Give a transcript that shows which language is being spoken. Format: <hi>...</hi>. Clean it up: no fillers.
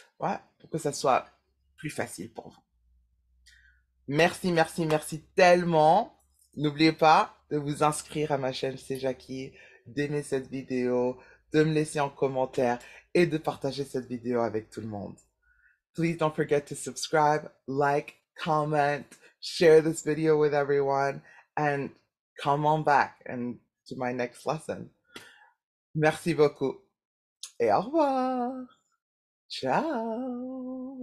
<fr>Ouais, pour que ça soit plus facile pour vous. Merci tellement. N'oubliez pas de vous inscrire à ma chaîne C'est Jackie, d'aimer cette vidéo, de me laisser en commentaire et de partager cette vidéo avec tout le monde.</fr> <en>Please don't forget to subscribe, like, comment, share this video with everyone and come on back and to my next lesson.</en> <fr>Merci beaucoup. Et au revoir. Ciao.</fr>